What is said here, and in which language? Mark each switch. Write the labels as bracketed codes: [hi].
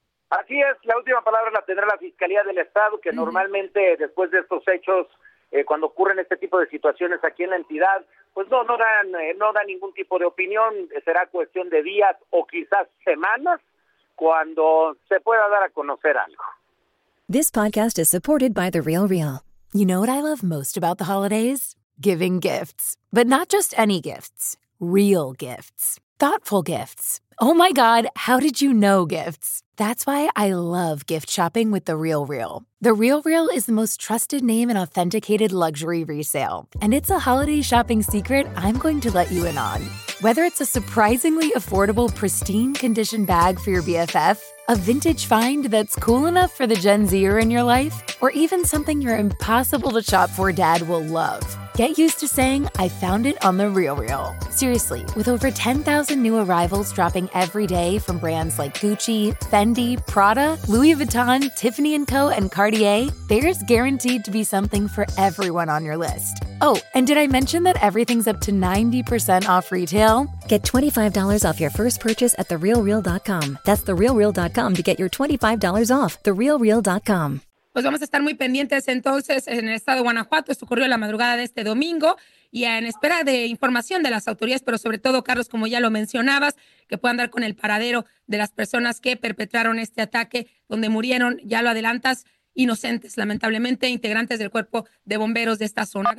[es] Así es, la última palabra la tendrá la Fiscalía del Estado, que normalmente después de estos hechos, cuando ocurren este tipo de situaciones aquí en la entidad, pues no dan ningún tipo de opinión. Será cuestión de días o quizás semanas cuando se pueda dar a conocer algo. [en] This podcast is supported by The Real Real. You know what I love most about the holidays? Giving gifts. But not just any gifts. Real gifts. Thoughtful gifts. Oh my God, how did you know gifts? That's why I love gift shopping with The Real Real. The Real Real is the most trusted name in authenticated luxury resale. And it's a holiday shopping secret I'm going to let you in on. Whether it's a surprisingly affordable pristine condition bag for your BFF, a vintage find that's cool enough for the Gen Zer in your life, or even something your impossible to shop for dad will love. Get used to saying, I found it on The Real Real. Seriously, with over 10,000 new arrivals dropping every day from brands like Gucci, Fendi, Prada, Louis Vuitton, Tiffany & Co., and Cartier, there's guaranteed to be something for everyone on your list. Oh, and did I mention that everything's up to 90% off retail? Get $25 off your first purchase at TheRealReal.com. That's TheRealReal.com to get your $25 off. TheRealReal.com. [es] Pues vamos a estar muy pendientes entonces en el estado de Guanajuato. Esto ocurrió la madrugada de este domingo y en espera de información de las autoridades, pero sobre todo, Carlos, como ya lo mencionabas, que puedan dar con el paradero de las personas que perpetraron este ataque, donde murieron, ya lo adelantas, inocentes, lamentablemente, integrantes del cuerpo de bomberos de esta zona.